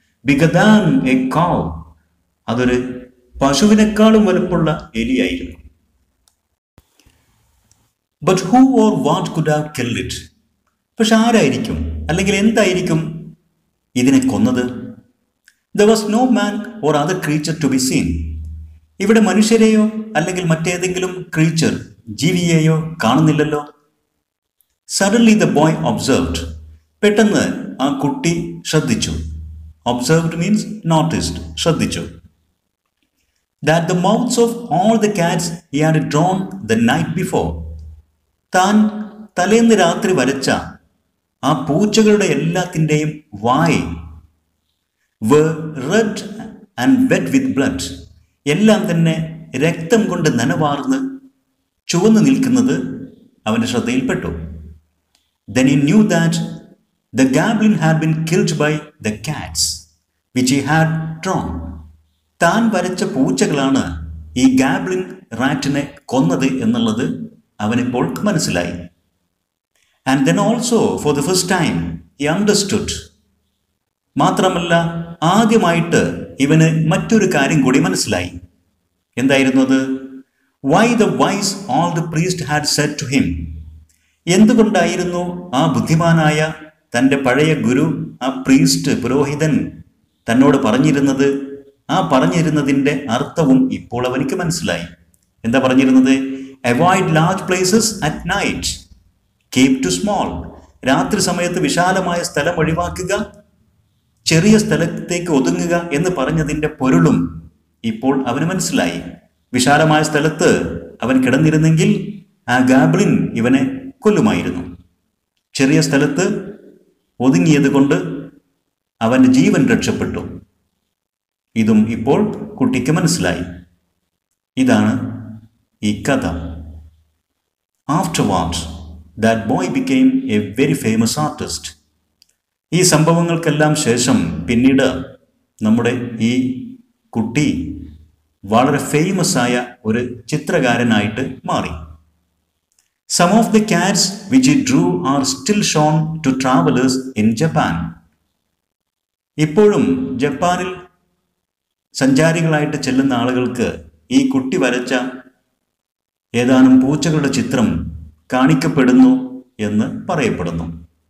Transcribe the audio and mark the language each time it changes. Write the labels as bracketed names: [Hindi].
[English] bigger than a cow, [Malayalam] അതൊരു പശുവിനേക്കാളും വലുപ്പുള്ള എലിയായിരുന്നു. [English] but who or what could have killed it, [Malayalam] പക്ഷെ ആരായിരിക്കും അല്ലെങ്കിൽ എന്തായിരിക്കും ഇതിനെ കൊന്നത്? [English] There was no man or other creature to be seen. [Malayalam] ഇവിടെ മനുഷ്യരെയോ അല്ലെങ്കിൽ മറ്റേതെങ്കിലും ക്രീച്ചർ, ജീവിയെയോ കാണുന്നില്ലല്ലോ. [English] Suddenly the boy observed. [Malayalam] പെട്ടെന്ന് ആ കുട്ടി ശ്രദ്ധിച്ചു. [English] Observed means noticed, ശ്രദ്ധിച്ചു. That the mouths of all the cats he had drawn the night before. [Malayalam] താൻ തലേന്ന് രാത്രി വരച്ച ആ പൂച്ചകളുടെ എല്ലാത്തിൻ്റെയും വായ് [English] were red and wet with blood. [Malayalam] എല്ലാം തന്നെ രക്തം കൊണ്ട് നനവാർന്ന് ചുവന്നു നിൽക്കുന്നത് അവൻ്റെ ശ്രദ്ധയിൽപ്പെട്ടു. [English] Then he knew that the gambling had been killed by the cats which he had drawn. [Malayalam] താൻ വരച്ച പൂച്ചകളാണ് ഈ gambling റാറ്റിനെ കൊന്നത് എന്നുള്ളത് അവനിപ്പോൾ മനസ്സിലായി. [English] And then also for the first time he understood. [Malayalam] മാത്രമല്ല ആദ്യമായിട്ട് ഇവന് മറ്റൊരു കാര്യം കൂടി മനസ്സിലായി. എന്തായിരുന്നു അത്? [English] why the vice all the priest had set to him, [Malayalam] എന്തുകൊണ്ടായിരുന്നു ആ ബുദ്ധിമാനായ തൻ്റെ പഴയ ഗുരു ആ പ്രീസ്റ്റ് പുരോഹിതൻ തന്നോട് പറഞ്ഞിരുന്നത്? ആ പറഞ്ഞിരുന്നതിൻ്റെ അർത്ഥവും ഇപ്പോൾ അവനിക്ക് മനസ്സിലായി. എന്താ പറഞ്ഞിരുന്നത്? [English] Avoid large places at night. Keep to small. [Malayalam] രാത്രി സമയത്ത് വിശാലമായ സ്ഥലം ഒഴിവാക്കുക, ചെറിയ സ്ഥലത്തേക്ക് ഒതുങ്ങുക എന്ന് പറഞ്ഞതിൻ്റെ പൊരുളും ഇപ്പോൾ അവന് മനസ്സിലായി. വിശാലമായ സ്ഥലത്ത് അവൻ കിടന്നിരുന്നെങ്കിൽ ആ ഗാബ്ലിൻ ഇവനെ കൊല്ലുമായിരുന്നു. ചെറിയ സ്ഥലത്ത് ഒതുങ്ങിയത് കൊണ്ട് അവൻ്റെ ജീവൻ രക്ഷപ്പെട്ടു. ഇതും ഇപ്പോൾ കുട്ടിക്ക് മനസ്സിലായി. ഇതാണ് ഈ കഥ. [English] Afterwards, that boy became a very famous artist. [Malayalam] ഈ സംഭവങ്ങൾക്കെല്ലാം ശേഷം പിന്നീട് നമ്മുടെ ഈ കുട്ടി വളരെ ഫേമസായ ഒരു ചിത്രകാരനായിട്ട് മാറി. [English] Some of the cats which he drew are still shown to travelers in Japan. [Malayalam] ഇപ്പോഴും ജപ്പാനിൽ സഞ്ചാരികളായിട്ട് ചെല്ലുന്ന ആളുകൾക്ക് ഈ കുട്ടി വരച്ച ഏതാനും പൂച്ചകളുടെ ചിത്രം കാണിക്കപ്പെടുന്നു എന്ന് പറയപ്പെടുന്നു.